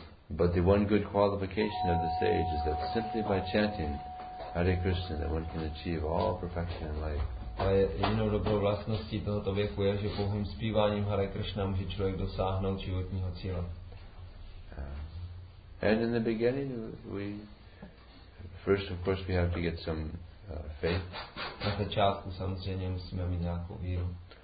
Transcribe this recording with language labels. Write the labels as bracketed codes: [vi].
[en] But the one good qualification of the sage is that simply by chanting Hare Krishna that one can achieve all perfection in life. [cs] A jedinou dobrou vlastností tohoto věku je, že pouhým zpíváním Hare Krishna může člověk dosáhnout životního cíle. [en] And in the beginning we first of course we have to get some faith. [cs] Na začátku samozřejmě musíme mít nějakou víru.